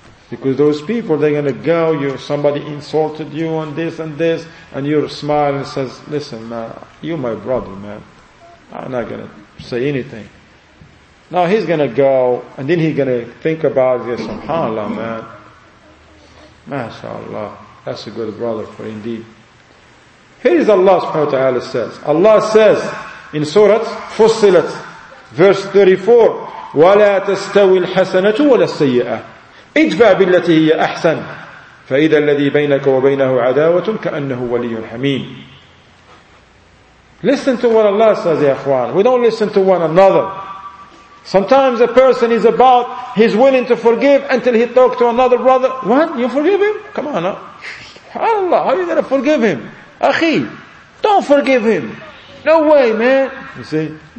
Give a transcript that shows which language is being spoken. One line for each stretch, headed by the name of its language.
English: Because those people, they're going to go, somebody insulted you on this and this, and you're smiling and says, listen, man, you're my brother, man. I'm not going to say anything. Now he's going to go, and then he's going to think about this, subhanAllah, man. MashaAllah, that's a good brother for indeed. Here is Allah subhanahu wa ta'ala says. Allah says in Surah Fussilat, verse 34,
Arabic: وَلَا تَسْتَوِي الْحَسَنَةُ وَلَا السَّيِّئَةُ ادفع بالتي هي أحسن فإذا الذي بينك وبينه عداوة كأنه ولي حميم
English: Listen to what Allah says, ya akhwan. We don't listen to one another. Sometimes a person is about, he's willing to forgive until he talks to another brother. What? You forgive him? Come on now. Subhanallah, how are you going to forgive him? Akhi, don't forgive him. No way, man. You see?